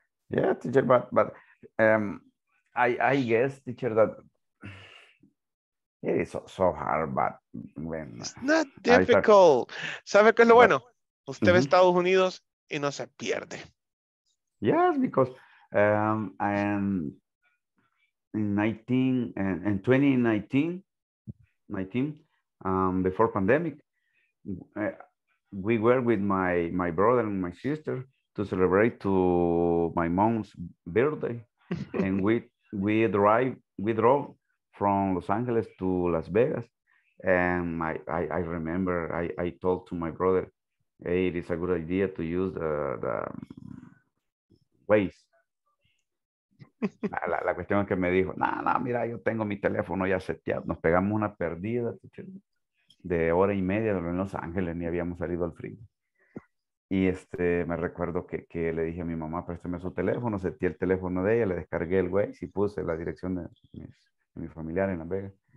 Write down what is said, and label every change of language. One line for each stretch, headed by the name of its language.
English: Yeah, teacher, but I guess, teacher, that it is so hard, but when... It's not difficult.
Spanish: ¿Sabe qué es lo bueno? Usted ve Estados Unidos y no se pierde.
English: Yes, because in 2019, before pandemic, we were with my brother and my sister to celebrate to my mom's birthday, and we drove from Los Angeles to Las Vegas, and I remember I told to my brother, hey, it is a good idea to use the Waze.
Spanish: La cuestión que me dijo, no, mira, yo tengo mi teléfono ya seteado. Nos pegamos una perdida de hora y media en Los Ángeles, ni habíamos salido al frío. Y me recuerdo que le dije a mi mamá, préstame su teléfono, sentí el teléfono de ella, le descargué el Waze y puse la dirección de mi familiar en Las Vegas.